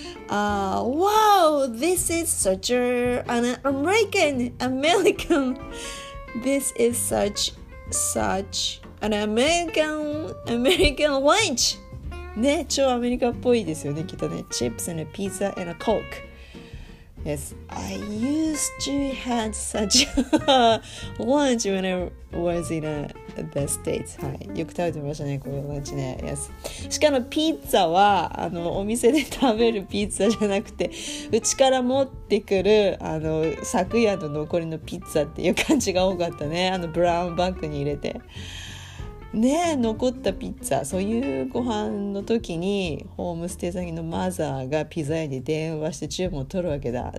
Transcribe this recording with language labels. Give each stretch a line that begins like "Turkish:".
English: Wow, this is such an American. This is such an American lunch.
Japanese: ね、超アメリカっぽいですよね、きっとね。
English: Chips and a pizza and a coke. Yes, I used to have such a lunch when I was in the States.
Japanese: はい、よく食べてましたね、こういうランチね。
English: Yes.
Japanese: しかもピッツァはお店で食べるピッツァじゃなくて、うちから持ってくる昨夜の残りのピッツァっていう感じが多かったね。ブラウンバッグに入れて。ね、残ったピッツァ、そういうご飯の時にホームステイ先のマザーがピザ屋に電話して注文を取るわけだ。